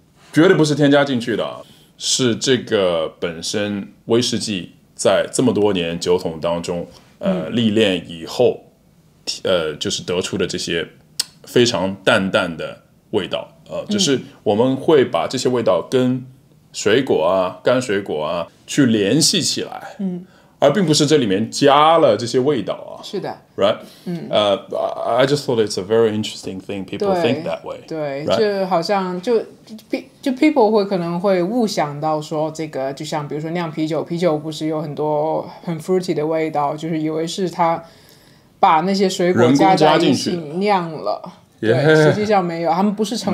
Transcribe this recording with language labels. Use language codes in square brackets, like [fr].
[zh] 绝对不是添加进去的，是这个本身威士忌在这么多年酒桶当中历练以后就是得出的这些非常淡淡的味道，就是我们会把这些味道跟水果啊、干水果啊去联系起来，嗯，而并不是这里面加了这些味道啊。是的 [en] ，right， [zh] 嗯， [en] I just thought it's a very interesting thing people think that way， [zh] 对， [en] right? [zh] 就好像就 people 会可能会误想到说这个，就像比如说酿啤酒，啤酒不是有很多很 fruity 的味道，就是以为是他把那些水果加在一起酿了。 [en] Yeah. [zh] 对，实际上没有，他们不是成、